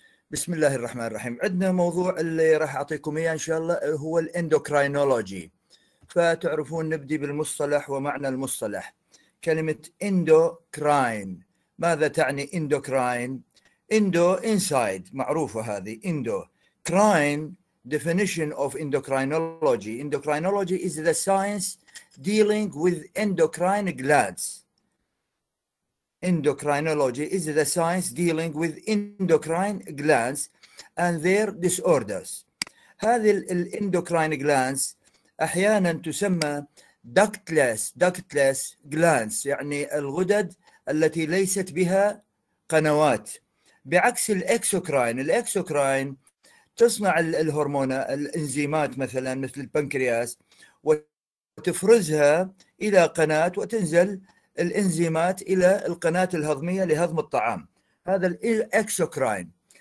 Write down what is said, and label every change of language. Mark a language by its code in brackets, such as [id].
[ar] بسم الله الرحمن الرحيم. عندنا موضوع اللي راح أعطيكم إياه إن شاء الله هو الإندوكراينولوجي. فتعرفون نبدي بالمصطلح ومعنى المصطلح. كلمة إندوكراين، ماذا تعني إندوكراين؟ إندو إنسايد، معروفة هذه إندو. [en] كراين definition of endocrinology. Endocrinology is the science dealing with endocrine glands. Endocrinology is the science dealing with endocrine glands and their disorders. [ar] هذه الاندوكراين جلانس احيانا تسمى [en] ductless glands، [ar] يعني الغدد التي ليست بها قنوات، بعكس الاكسوكراين. الاكسوكراين تصنع الهرمون الانزيمات مثلا مثل البنكرياس، وتفرزها الى قناه، وتنزل الانزيمات الى القناه الهضميه لهضم الطعام، هذا الاكسوكراين.